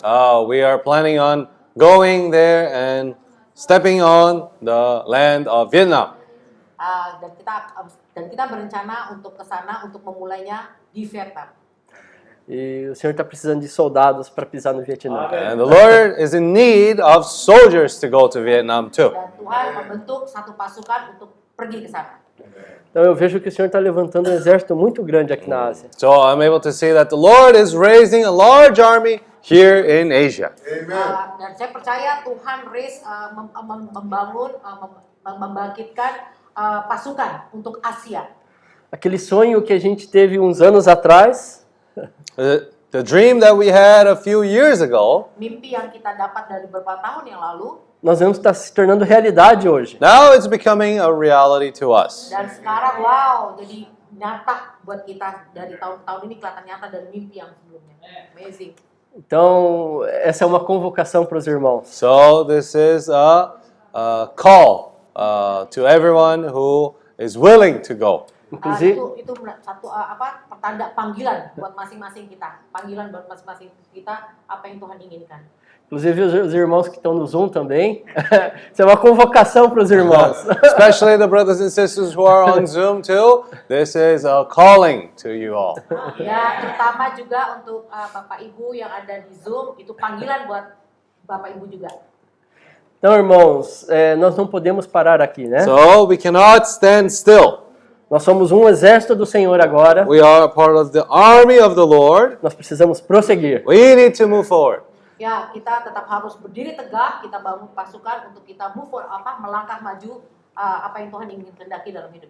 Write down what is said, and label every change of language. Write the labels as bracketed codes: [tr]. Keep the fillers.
[en] Oh, we are planning on going there and stepping on the land of Vietnam. [id] Uh, dan kita dan kita berencana untuk ke untuk memulainya di Vietnam. [pt] E o senhor está precisando de soldados para pisar no Vietnã. [en] And the Lord is in need of soldiers to go to Vietnam too. [id] Tuhan membentuk satu pasukan untuk [pt] por que, que sabe? Então eu vejo que o Senhor está levantando um exército muito grande aqui na Ásia. [en] So I'm able to say that the Lord is raising a large army here in Asia. Amen. [id] Dan saya percaya Tuhan raise membangun membangkitkan pasukan untuk Asia. [pt] Aquele sonho que a gente teve uns anos atrás. [en] The dream that we had a few years ago. [id] Mimpi yang kita dapat dari beberapa tahun yang lalu [pt] nós vemos que está se tornando realidade hoje. [en] Now it's becoming a reality to us. [id] Dan sekarang, wow, jadi nyata buat kita dari tahun-tahun ini kelihatan nyata dari mimpi yang sebelumnya. [en] Amazing. [pt] Então, essa é uma convocação para os irmãos. [en] So, this is a, a call uh, to everyone who is willing to go. [pt] Inclusive, uh, [id] itu, itu satu uh, apa pertanda panggilan buat masing-masing kita. Panggilan buat masing-masing kita apa yang Tuhan inginkan. [pt] Inclusive os irmãos que estão no Zoom também. Isso é uma convocação para os irmãos. [en] Uh, especially the brothers and sisters who are on Zoom too. This is a calling to you all. Ya, [id] terutama juga untuk Bapak Ibu yang ada di Zoom, itu panggilan buat Bapak Ibu juga. [pt] Então, irmãos, é, nós não podemos parar aqui, né? [en] So, we cannot stand still. [pt] Nós somos um exército do Senhor agora. [en] We are part of the army of the Lord. [pt] Nós precisamos prosseguir. [en] We need to move forward. [id] ya kita tetap harus berdiri tegak, kita bangun pasukan untuk kita move on apa melangkah maju uh, apa yang Tuhan ingin kehendaki dalam hidup